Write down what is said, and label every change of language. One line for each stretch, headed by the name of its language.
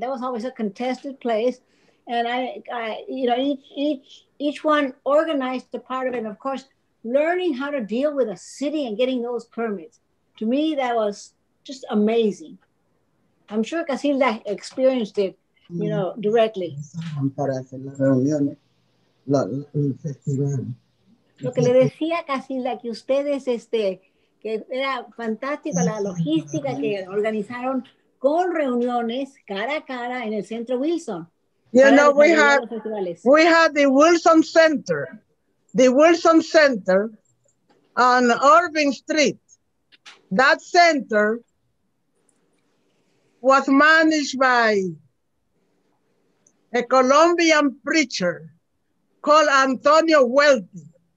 English: That was always a contested place. And each one organized a part of it. And of course, learning how to deal with a city and getting those permits. To me, that was just amazing. I'm sure Casilda experienced it, you know, directly.
Spanish: Lo que le decía Casilda, que ustedes, que era fantástica la logística que organizaron con reuniones cara a cara en el Centro Wilson.
English: You know, we had the Wilson Center, on Irving Street. That center was managed by a Colombian preacher called Antonio Welty.